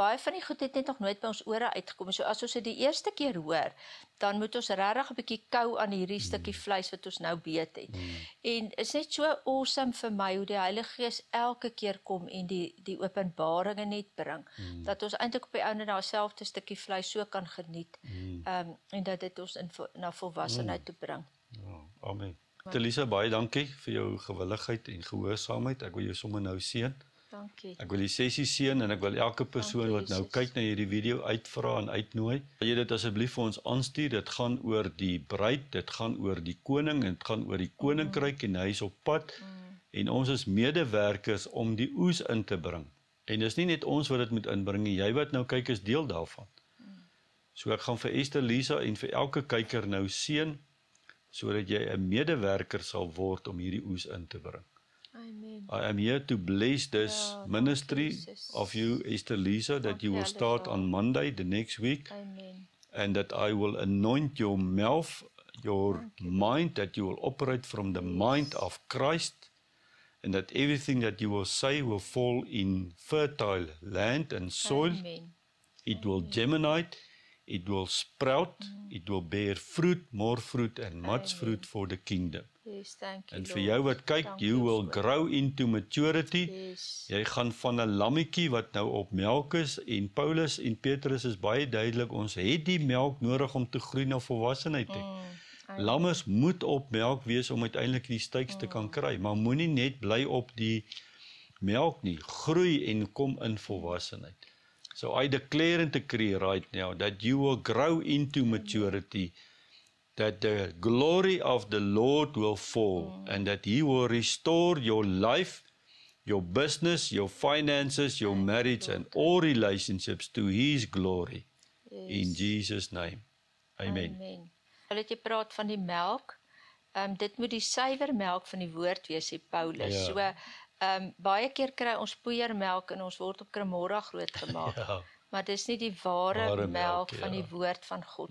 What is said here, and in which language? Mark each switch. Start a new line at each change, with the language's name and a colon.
Afrikaans: Baie van die goed het net nog nooit by ons ore uitgekom. So as ons het die eerste keer hoor, dan moet ons regtig 'n bietjie kou aan hierdie stukkie vleis wat ons nou beet het. En is net so awesome vir my hoe die Heilige Gees elke keer kom en die openbaringe net bring, dat ons eintlik op die ou en na dieselfde stukkie vleis so kan geniet. En dat dit ons in na volwassenheid toe bring. Ja, amen. Telisa, baie dankie vir jou gewilligheid en gehoorsaamheid. Ek wil jou sommer nou seën. Dankie. Ek wil die sessie seën en ek wil elke persoon wat nou kyk na hierdie video uitvra en uitnooi. Wil jy dit asseblief vir ons aanstuur? Dit gaan oor die bruid, dit gaan oor die koning en dit gaan oor die koninkryk en hy is op pad. En ons is medewerkers om die oes in te bring. En dis nie net ons wat dit moet inbring, jy wat nou kyk is deel daarvan. So ek gaan vir Esther, Lisa en vir elke kyker nou seën, sodat jy 'n medewerker sal word om hierdie oes in te bring. Amen.
English: I am here to bless this ministry of you, Esther Lisa, that you will start on Monday, the next week. Amen. And that I will anoint your mouth, your mind, that you will operate from the mind of Christ, and that everything that you will say will fall in fertile land and soil. Amen. It will germinate. It will sprout, it will bear fruit, more fruit and much fruit for the kingdom. Yes, thank you, and for jou wat kyk, you will grow into maturity. Yes.
Afrikaans: Jy gaan van 'n lammetjie wat nou op melk is, en Paulus en Petrus is baie duidelik, ons het die melk nodig om te groei na volwassenheid. Lammes moet op melk wees om uiteindelik die steiks te kan kry, maar moenie net bly op die melk nie, groei en kom in volwassenheid.
English: So I declare and decree right now that you will grow into maturity, that the glory of the Lord will fall, and that he will restore your life, your business, your finances, your marriage, and all relationships to his glory. Yes. In Jesus' name. Amen. Amen.
Afrikaans: Hulle het jy praat van die melk. Dit moet die suiwer melk van die woord wees, sê Paulus. Ja. So, baie keer kry ons poeiermelk en ons word op kremora groot gemaak. Ja. Maar dis nie die ware melk van die woord van God